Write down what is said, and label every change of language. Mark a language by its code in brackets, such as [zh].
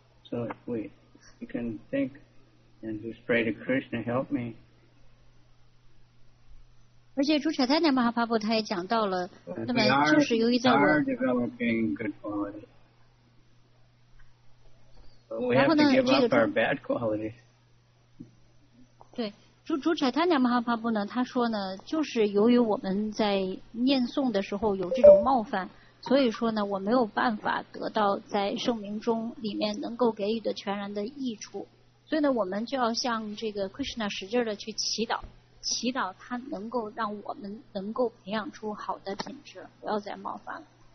[en] So if we can think and just pray to Krishna, help me. [zh] 而且朱彩丹尼马哈帕布他也讲到了，那么就是由于在我们 [en] are developing good qualities. But we have to give up our bad qualities. [zh] 对。朱彩丹尼马哈帕布呢，他说呢，就是由于我们在念诵的时候有这种冒犯，所以说呢，我没有办法得到在圣名中里面能够给予的全然的益处，所以呢，我们就要向这个 Krishna 使劲的去祈祷，祈祷他能够让我们能够培养出好的品质，不要再冒犯了。